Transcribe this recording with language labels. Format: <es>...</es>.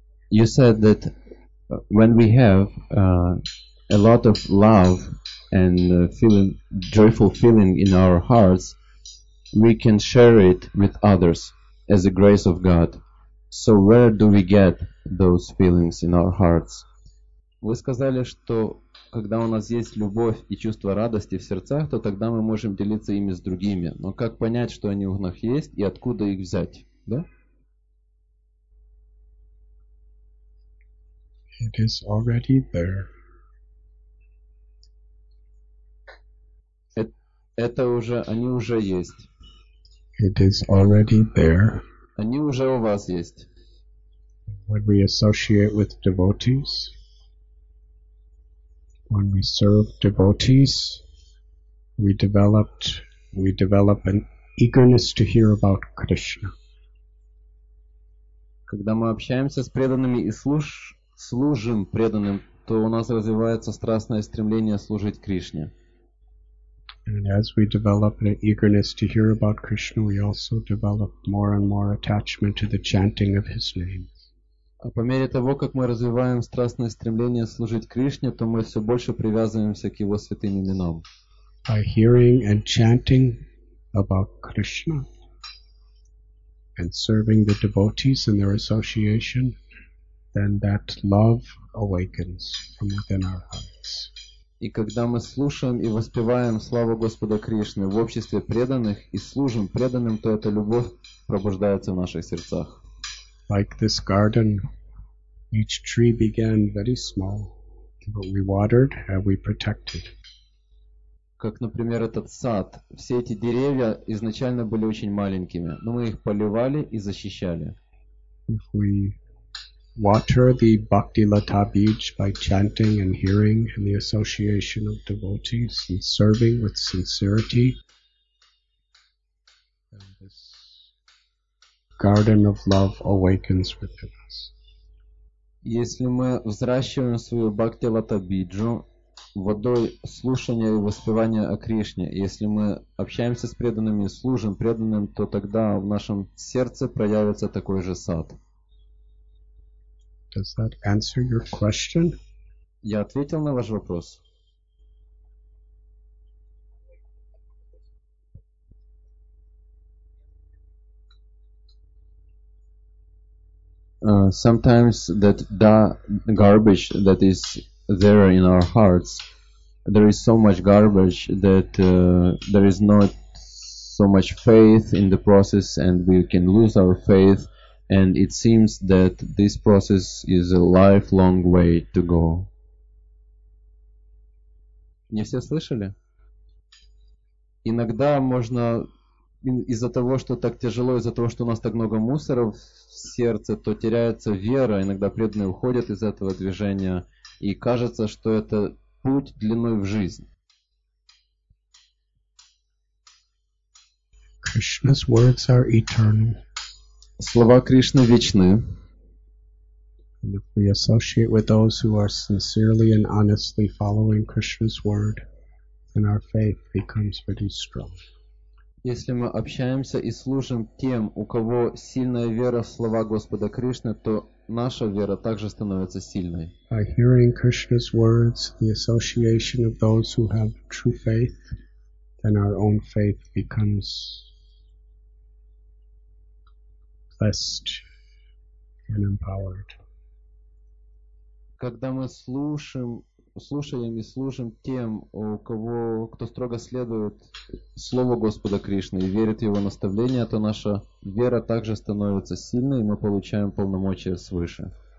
<en>You said that when we have a lot of love and feeling joyful feeling in our hearts, we can share it with others as a grace of God. So where do we get those feelings in our hearts?</en> <ru>Вы сказали, что когда у нас есть любовь и чувство радости в сердцах, то тогда мы можем делиться ими с другими. Но как понять, что они у нас есть и откуда их взять? Да?</ru> <en>It is already there.</en> <ru>Это уже, они уже есть.</ru> <en>It is already there.</en> <ru>Они уже у вас есть.</ru> <en>When we associate with devotees, when we serve devotees, we develop an eagerness to hear about Krishna.</en> <ru>Когда мы общаемся с преданными и служим преданным, то у нас развивается страстное стремление служить Кришне.</ru> <en>And as we develop an eagerness to hear about Krishna, we also develop more and more attachment to the chanting of his name.</en> <ru>А по мере того, как мы развиваем страстное стремление служить Кришне, то мы все больше привязываемся к его святым именам.</ru> <en>By hearing and chanting about Krishna and serving the devotees and their association, then that love awakens from within our hearts.</en> <ru>И когда мы слушаем и воспеваем славу Господа Кришны в обществе преданных и служим преданным, то эта любовь пробуждается в наших сердцах.</ru> <en>Like this garden, each tree began very small, but we watered and we protected.</en> <ru>Как, например, этот сад. Все эти деревья изначально были очень маленькими, но мы их поливали и защищали.</ru> <en>If we water the Bhakti Lata Beach by chanting and hearing and the association of devotees and serving with sincerity, and this garden of love awakens within us.</en> <ru>Если мы взращиваем свою Бхакти Лата Биджу водой слушания и воспевания о Кришне, если мы общаемся с преданными и служим преданным, то тогда в нашем сердце проявится такой же сад.</ru> <en>Does that answer your question?</en> <ru>Я ответил на ваш вопрос.</ru> <en>Sometimes that garbage that is there in our hearts, there is so much garbage that there is not so much faith in the process, and we can lose our faith. And it seems that this process is a lifelong way to go.</en> <ru>Не все слышали? Иногда можно из-за того, что так тяжело, из-за того, что у нас так много мусора в сердце, то теряется вера. Иногда преданные уходят из этого движения, и кажется, что это путь длиной в жизнь.</ru> <en>Krishna's words are eternal.</en> <ru>Слова Кришны вечны.</ru> <en>And if we associate with those who are sincerely and honestly following Krishna's word, then our faith becomes very strong.</en> <ru>Если мы общаемся и служим тем, у кого сильная вера в слова Господа Кришны, то наша вера также становится сильной.</ru> <en>By hearing Krishna's words, the association of those who have true faith, then our own faith becomes and empowered.</en> <ru>Когда мы слушаем и служим тем, кто строго следует слову Господа Кришны и верит в его наставления, то наша вера также становится сильной, и мы получаем полномочия свыше.</ru>